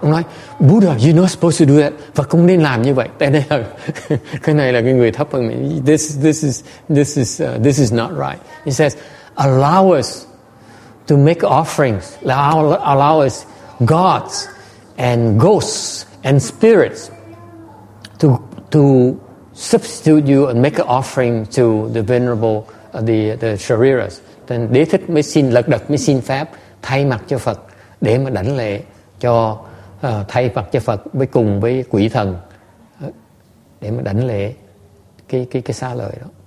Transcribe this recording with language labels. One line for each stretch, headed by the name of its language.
Vietnamese: Ông nói,
English: Buddha, you're not supposed to do that.
Vietnamese: Và không nên làm như vậy. Tại đây là, cái này là cái người thấp hơn mình.
English: This is not right. He says, allow us to make offerings. Allow us gods and ghosts and spirits to substitute you and make an offering to the venerable, the Shariras.
Vietnamese: Then Đế Thích mới xin, lật đật mới xin phép thay mặt cho Phật để mà đảnh lễ cho thay mặt cho Phật với cùng với quỷ thần để mà đảnh lễ cái xá lợi đó.